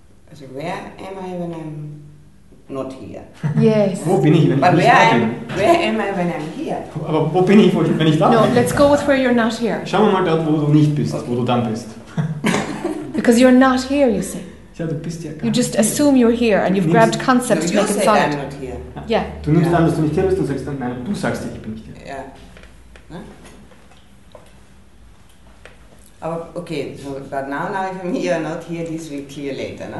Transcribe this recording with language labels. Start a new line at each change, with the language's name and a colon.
English: Also, where am I when I'm not here? Yes.
German: Wo bin ich, wenn ich nicht da bin?
English: Where am I when I'm here?
German: Aber wo bin ich, wenn ich da bin?
English: No, let's go with where you're not here.
German: Schauen wir mal dort, wo du nicht bist, okay. Wo du dann bist.
English: Because you're not here, you see.
German: Ja, du bist ja gar nicht.
English: You just assume you're here and you've grabbed concepts to make it solid. You say I'm not here. Yeah.
German: Du nimmst an, dass du nicht hier bist und sagst dann, nein, du sagst, ich bin nicht hier. Ja.
English: Okay, so, but now if I'm here, not here, this will clear later.